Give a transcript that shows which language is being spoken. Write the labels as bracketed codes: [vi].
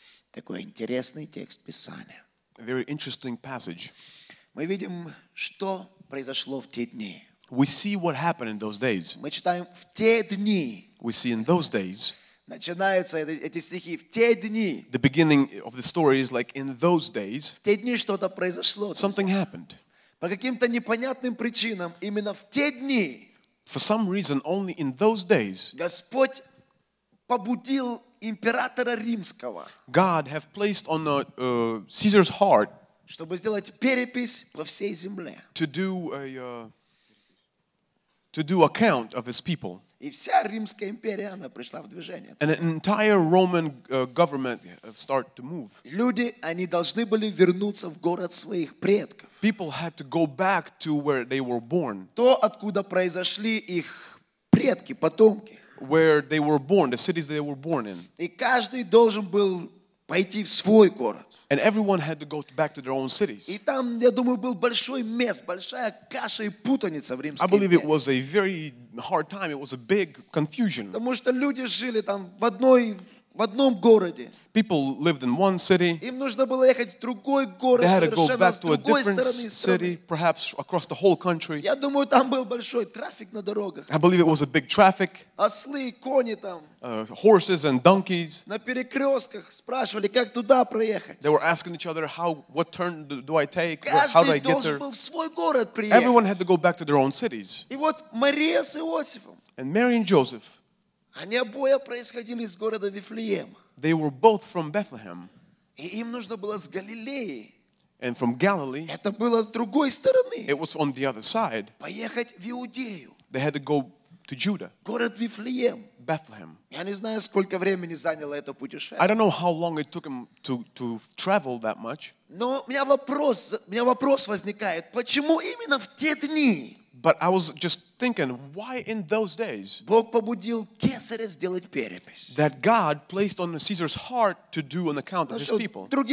[ru] Такой интересный текст Писания. [en] Very interesting passage. [ru] Мы видим, что произошло в те дни. [en] We see what happened in those days. [ru] Мы читаем в те дни. [en] We see in those days. [ru] Начинаются эти стихи в те дни. [en] The beginning of the story is like in those days. [ru] В те дни что-то произошло. [en] Something happened. [ru] По каким-то непонятным причинам именно в те дни. [en] For some reason, only in those days. [ru] Господь побудил императора римского. [en] God have placed on Caesar's heart. [ru] Чтобы сделать перепись по всей земле. [en] To do a count of his people. [ru] И вся Римская империя, она пришла в движение. [en] And an entire Roman government started to move. [ru] Люди, они должны были вернуться в город своих предков. [en] People had to go back to where they were born. [ru] То, откуда произошли их предки, потомки. [en] Where they were born, the cities they were born in. [ru] И каждый должен был пойти в свой город. [en] And everyone had to go back to their own cities. [ru] И там, я думаю, был большой мес, большая каша и путаница в Римской. [en] I believe it was a very hard time. It was a big confusion. [ru] Потому что люди жили там в одном городе. [en] People lived in one city. [ru] Им нужно было ехать в другой город. [en] They had to go back to a different city, perhaps across the whole country. [ru] Я думаю, там был большой трафик на дорогах. [en] I believe it was a big traffic. [ru] Ослы, кони там. [en] Horses and donkeys. [ru] На перекрестках спрашивали, как туда проехать. [en] They were asking each other, what turn do I take? How do I get there? [ru] Каждый должен был в свой город приехать. [en] Everyone had to go back to their own cities. [ru] И вот Мария с Иосифом. [en] And Mary and Joseph. [ru] Они обоя происходили из города Вифлеем. [en] They were both from Bethlehem. [ru] И им нужно было с Галилеи. [en] And from Galilee. [ru] Это было с другой стороны. [en] It was on the other side. [ru] Поехать в Иудею. [en] They had to go to Judah. [ru] Город Вифлеем. [en] Bethlehem. [ru] Я не знаю, сколько времени заняло это путешествие. [en] I don't know how long it took him to travel that much. [ru] Но у меня вопрос возникает: почему именно в те дни? [en] But I was just thinking, why in those days that God placed on Caesar's heart to do an account of his people?